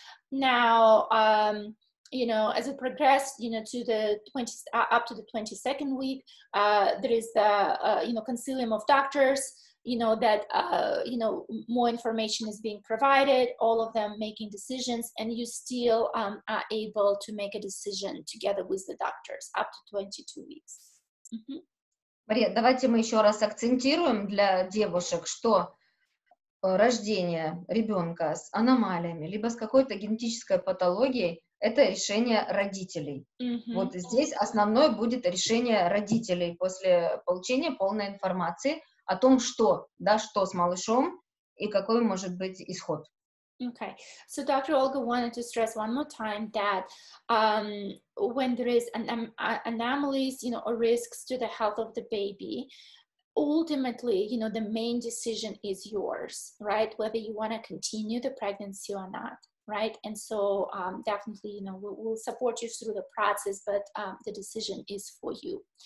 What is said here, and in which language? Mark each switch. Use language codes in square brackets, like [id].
[en] Now, you know, as it progressed, you know, to the 20, up to the 22nd week, there is the, you know, consilium of doctors, you know, that, you know, more information is being provided, all of them making decisions, and you still are able to make a decision together with the doctors up to 22 weeks. Mm-hmm. [ru] Мария, давайте мы еще раз акцентируем для девушек, что рождение ребенка с аномалиями, либо с какой-то генетической патологией, это решение родителей. Mm-hmm. Вот здесь основное будет решение родителей после получения полной информации о том, что, да, что с малышом и какой может быть исход. [en] Okay. So Dr. Olga wanted to stress one more time that when there is anomalies, you know, or risks to the health of the baby, ultimately, you know, the main decision is yours, right? Whether you want to continue the pregnancy or not. Right, and so definitely, you know, we'll support you through the process, but the decision is for you.